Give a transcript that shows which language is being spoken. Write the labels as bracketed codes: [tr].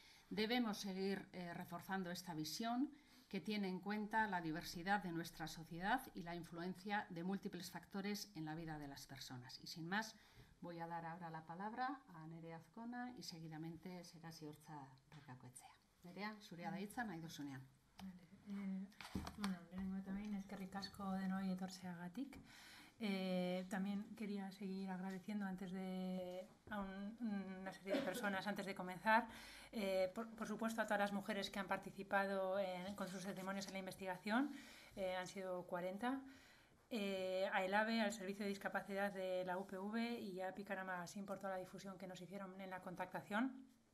[es] Debemos seguir reforzando esta visión que tiene en cuenta la diversidad de nuestra sociedad y la influencia de múltiples factores en la vida de las personas. Y sin más, voy a dar ahora la palabra a Nerea Azkona y seguidamente será Ziortza Arrekako Etxea. [eu] Nerea, zurea da hitza, nahi duzunean. Bueno, lehenengo eta behin eskerrik asko denoi etortzeagatik. [es] También quería seguir agradeciendo antes de a una serie de personas antes de comenzar, por supuesto a todas las mujeres que han participado con sus testimonios en la investigación, han sido 40, a ELAVE, al Servicio de Discapacidad de la UPV y a Pícara Magazine por toda la difusión que nos hicieron en la contactación.